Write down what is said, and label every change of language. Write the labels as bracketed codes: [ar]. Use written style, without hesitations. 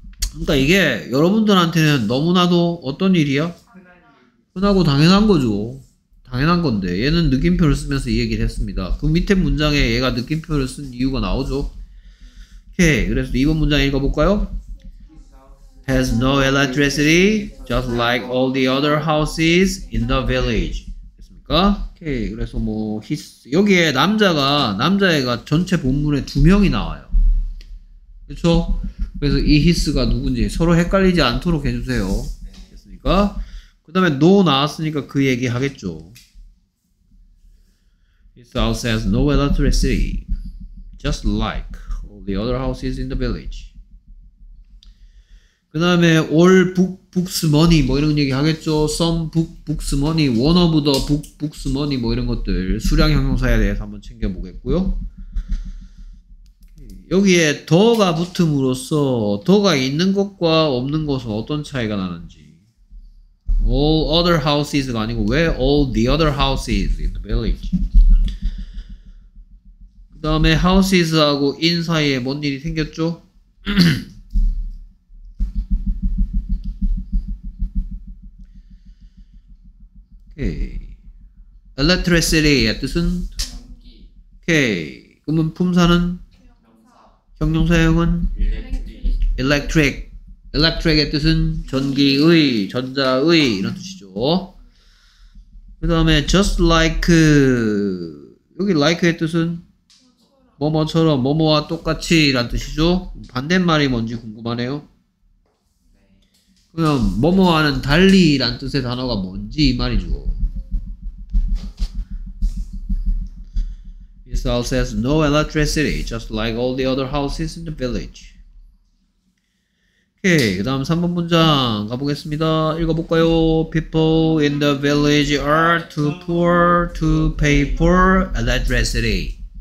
[ko] 그러니까 이게 여러분들한테는 너무나도 어떤 일이야? 흔하고 당연한 거죠. 당연한 건데. 얘는 느낌표를 쓰면서 이 얘기를 했습니다. 그 밑에 문장에 얘가 느낌표를 쓴 이유가 나오죠. 오케이. 그래서 2번 문장 읽어볼까요? [en] Has no electricity, just like all the other houses in the village. [ko] 됐습니까? 오케이. 그래서 뭐 여기에 남자애가 전체 본문에 두 명이 나와요. 그렇죠? 그래서 이 his가 누군지 서로 헷갈리지 않도록 해주세요. 됐습니까? 그 다음에 no 나왔으니까 그 얘기 하겠죠. [en] His house has no electricity, just like all the other houses in the village. [ko] 그 다음에 all books money 뭐 이런 얘기 하겠죠. some books money, one of the books money 뭐 이런 것들 수량 형용사에 대해서 한번 챙겨보겠고요. 여기에 더가 붙음으로써 더가 있는 것과 없는 것은 어떤 차이가 나는지. [en] all other houses가 [ko] 아니고 왜 [en] all the other houses in the village. [ko] 그 다음에 houses하고 in 사이에 뭔 일이 생겼죠? 오케이. electricity의 뜻은? 오케이. 그러면 품사는? 형용사형은? electric. electric의 뜻은? 전기의, 전자의. 이런 뜻이죠. 그 다음에 just like. 여기 like의 뜻은? 뭐뭐처럼, 뭐뭐와 똑같이. 이란 뜻이죠. 반대말이 뭔지 궁금하네요. 그럼 뭐뭐와는 달리. 이란 뜻의 단어가 뭔지 이 말이죠. [en] This house has no electricity, just like all the other houses in the village. [ko] 오케이, 그 다음 3번 문장 가보겠습니다. 읽어볼까요? [en] People in the village are too poor to pay for electricity.